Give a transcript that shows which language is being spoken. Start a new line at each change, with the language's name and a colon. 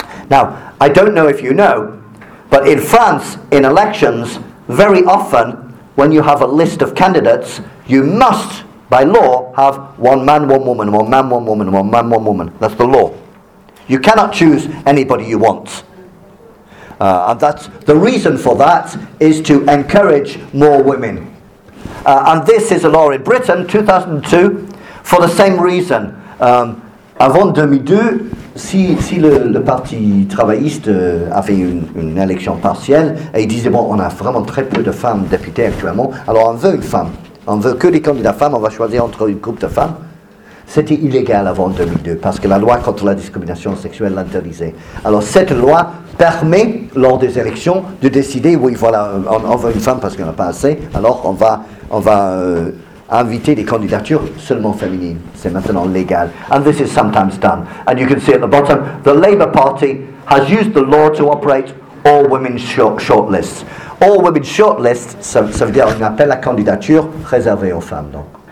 English: Now, I don't know if you know, but in France, in elections, very often, when you have a list of candidates, you must, by law, have one man, one woman, one man, one woman, one man, one woman. That's the law. You cannot choose anybody you want. And that's the reason for that is to encourage more women. And this is a law in Britain, 2002, for the same reason.
French: Avant 2002, si le parti travailliste avait une élection partielle, et il disait, bon, on a vraiment très peu de femmes députées actuellement, alors on veut une femme. On veut que des candidats femmes, on va choisir entre une groupe de femmes. C'était illégal avant 2002, parce que la loi contre la discrimination sexuelle l'interdisait. Alors cette loi permet, lors des élections, de décider, oui, voilà, on veut une femme parce qu'on n'a pas assez, alors on va inviter des candidatures seulement féminines. C'est maintenant légal.
English: And this is sometimes done. And you can see at the bottom, the Labour Party has used the law to operate all women's shortlists. All women's shortlists,
French: ça veut dire un appel à candidature réservée aux femmes, donc.